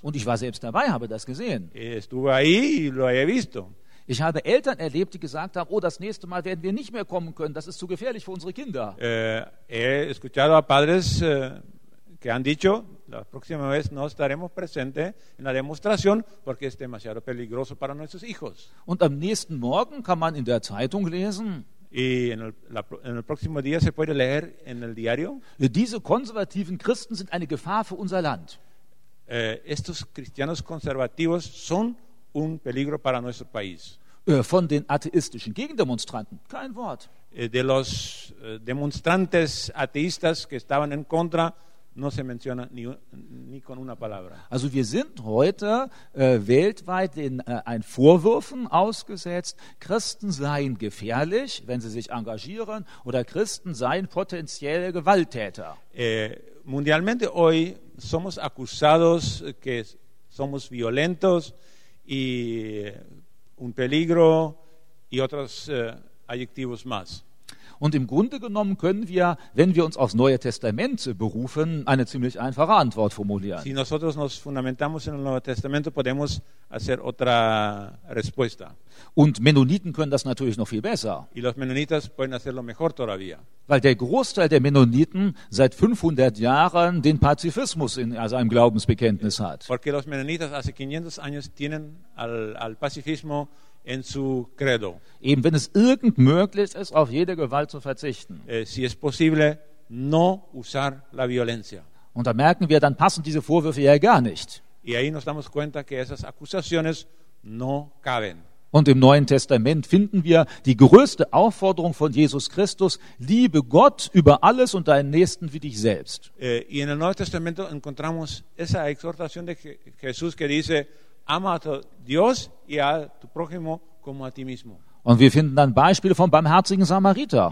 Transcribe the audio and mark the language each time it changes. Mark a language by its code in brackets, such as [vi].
[de] Und ich war selbst dabei, habe das gesehen. [es] Estuve ahí y lo he visto. [de] Ich habe Eltern erlebt, die gesagt haben, oh, das nächste Mal werden wir nicht mehr kommen können, das ist zu gefährlich für unsere Kinder. [es] He escuchado a padres que han dicho, la próxima vez no estaremos presente en la demostración porque es demasiado peligroso para nuestros hijos. [de] Und am nächsten Morgen kann man in der Zeitung lesen, [es] y en el próximo día se puede leer en el diario, [de] diese konservativen Christen sind eine Gefahr für unser Land. [es] Estos cristianos conservativos son un peligro para nuestro país. [de] Von den atheistischen Gegendemonstranten kein Wort. [es] De los demonstrantes ateístas que estaban en contra no se menciona ni con una palabra. [de] Also wir sind heute weltweit den Vorwürfen ausgesetzt, Christen seien gefährlich, wenn sie sich engagieren, oder Christen seien potenzielle Gewalttäter. [es] Mundialmente hoy somos acusados que somos violentos y un peligro y otros adjetivos más. [de] Und im Grunde genommen können wir, wenn wir uns aufs Neue Testament berufen, eine ziemlich einfache Antwort formulieren. [es] Si nosotros nos fundamentamos en el Nuevo Testamento, podemos hacer otra respuesta. [de] Und Mennoniten können das natürlich noch viel besser. [es] Y los menonitas pueden hacerlo mejor todavía. [de] Weil der Großteil der Mennoniten seit 500 Jahren den Pazifismus in seinem Glaubensbekenntnis hat. [es] Porque los menonitas hace 500 años tienen al pacifismo en su credo. [de] Eben, wenn es irgend möglich ist, auf jede Gewalt zu verzichten. [es] Si es posible, no usar la violencia. [de] Und da merken wir, dann passen diese Vorwürfe ja gar nicht. [es] Y ahí nos damos cuenta que esas acusaciones no caben. [de] Und im Neuen Testament finden wir die größte Aufforderung von Jesus Christus: Liebe Gott über alles und deinen Nächsten wie dich selbst. [es] Y en el Nuevo Testamento encontramos esa exhortación de Jesús que dice: Ama a Dios y a tu prójimo como a ti mismo. [de] Und wir finden dann Beispiele vom barmherzigen Samariter.